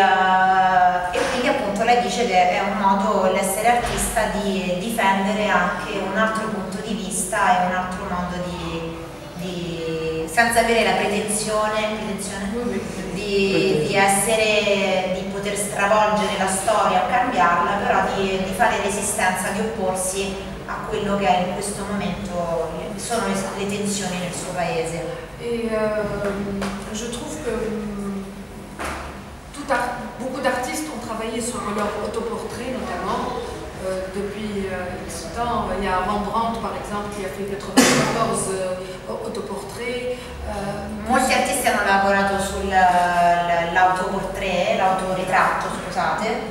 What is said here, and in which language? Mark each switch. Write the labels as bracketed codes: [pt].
[it] E quindi appunto lei dice che è un modo l'essere artista di difendere anche un altro punto di vista e un altro modo di senza avere la pretensione di poter stravolgere la storia, cambiarla, però di fare resistenza, di opporsi a quello che è in questo momento sono le tensioni nel suo paese. [fr] Je trouve que beaucoup d'artistes ont travaillé sur leur autoportrait notamment, depuis ce temps. Il y a Rembrandt, par exemple, qui a fait 94 autoportraits. [it] Molti artisti hanno lavorato sull'autoportrait, l'autoritratto, scusate.